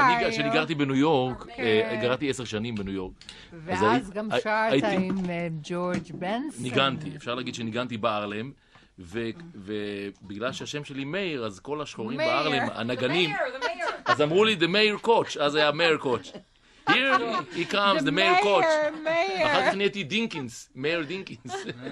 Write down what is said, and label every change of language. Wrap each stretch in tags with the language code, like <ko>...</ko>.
<he>כשאני גרתי בניו יורק, גרתי 10 שנים בניו יורק. ואז גם שרת עם ג'ורג' בנסון. ניגנתי, אפשר להגיד שניגנתי בארלם. ובגלל שהשם שלי מאיר, אז כל השחורים בארלם, הנגנים, אז אמרו לי,</he> <en>the mayor coach,</en> <he>אז היה</he> <en>mayor coach. Here he comes, the mayor coach.</en> <he>אחר כך נהייתי דינקינס, mayor דינקינס.</he>